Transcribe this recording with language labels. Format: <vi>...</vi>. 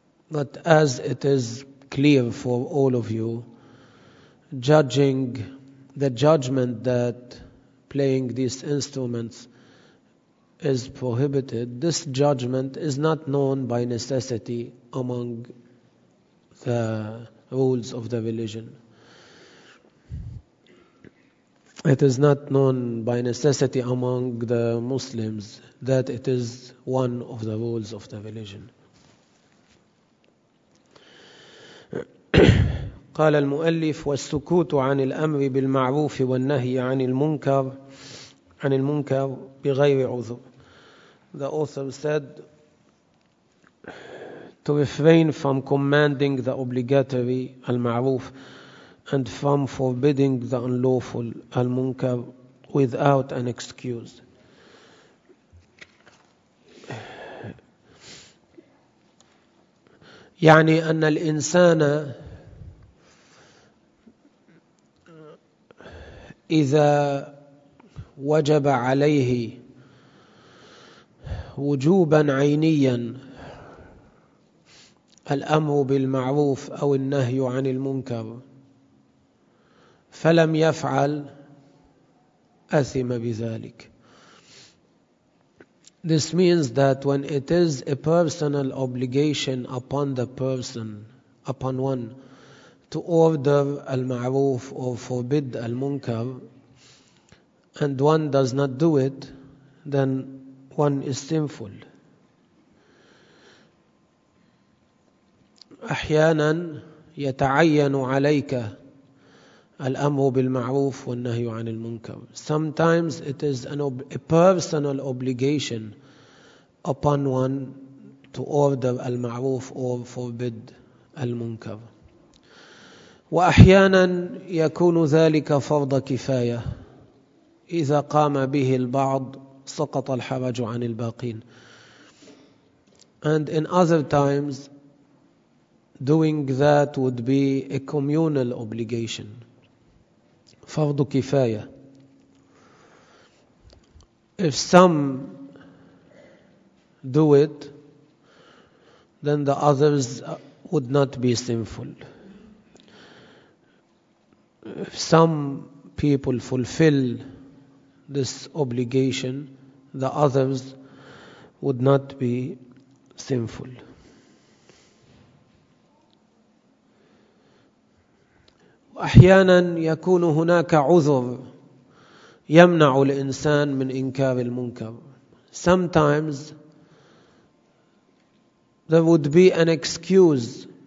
<en>But as it is clear for all of you, judging the judgment that playing these instruments is prohibited, this judgment is not known by necessity among the rules of the religion. It is not known by necessity among the Muslims that it is one of the rules of the religion.</en> <ar>قال المؤلف والسكوت عن الأمر بالمعروف والنهي عن المنكر بغير عذر.</ar> <en>The author said to refrain from commanding the obligatory al-ma'ruf and from forbidding the unlawful al-munkar without an excuse.</en> <ar>يعني أن الإنسان إذا وجب عليه وجوبا عينيا الأمر بالمعروف أو النهي عن المنكر فلم يفعل أثم بذلك.</ar> <en>This means that when it is a personal obligation upon the person, upon one, to order المعروف or forbid المنكر, and one does not do it, then one is sinful.</en> <ar>أحيانا يتعين عليك الأمر بالمعروف والنهي عن المنكر.</ar> <en>Sometimes it is a personal obligation upon one to order المعروف or forbid المنكر.</en> <ar>وأحيانا يكون ذلك فرض كفاية إذا قام به البعض سقط الحرج عن الباقين.</ar> <en>And in other times, doing that would be a communal obligation.</en> <ar>فرض كفاية.</ar> <en>If some do it, then the others would not be sinful. If some people fulfill this obligation, the others would not be sinful.</en> <ar>وأحيانا يكون هناك عذر يمنع الإنسان من إنكار المنكر.</ar> <en>Sometimes there would be an excuse.</en>